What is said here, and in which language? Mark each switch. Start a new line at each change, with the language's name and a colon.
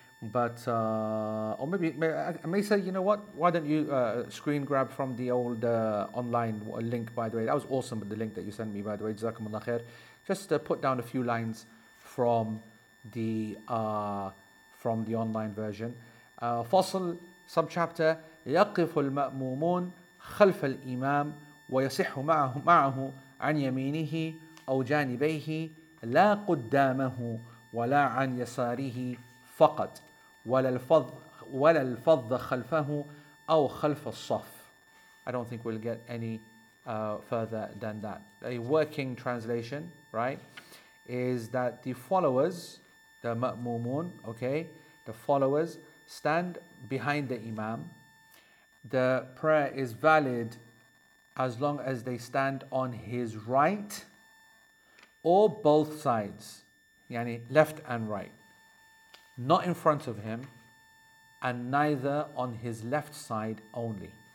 English: But or maybe I may say, you know what? Why don't you screen grab from the old online link? By the way, that was awesome. The link that you sent me, by the way, Jazakumullah khair. Just put down a few lines from the online version. Fasl, subchapter.
Arabic: يقف المأمومون خلف الإمام ويصح معه عن يمينه أو جانبيه لا قدامه ولا عن يساره فقط ولا الفض خلفه أو خلف الصف.
English: I don't think we'll get any further than that. A working translation, right, is that the followers, the مأمومون, okay, the followers stand behind the Imam. The prayer is valid as long as they stand on his right or both sides, yani left and right, not in front of him and neither on his left side only.